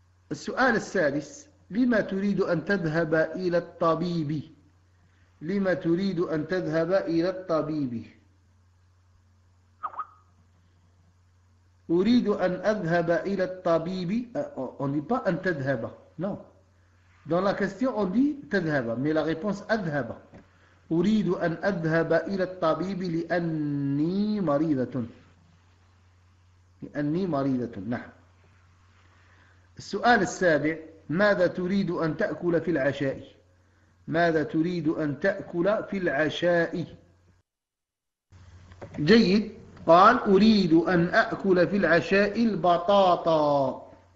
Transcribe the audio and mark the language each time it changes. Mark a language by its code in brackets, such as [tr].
[ar] السؤال السادس، لما تريد أن تذهب إلى الطبيب؟ لما تريد أن تذهب إلى الطبيب؟ أريد أن أذهب إلى الطبيب. [fr] On dit pas [ar] أن تذهب. [fr] No. Dans la question, on dit تذهب. Mais la réponse, أذهب. [ar] أريد أن أذهب إلى الطبيب لأني مريضة. لأني مريضة. نعم. السؤال السابع، ماذا تريد أن تأكل في العشاء؟ ماذا تريد أن تأكل في العشاء؟ جيد، قال أريد أن أكل في العشاء البطاطا.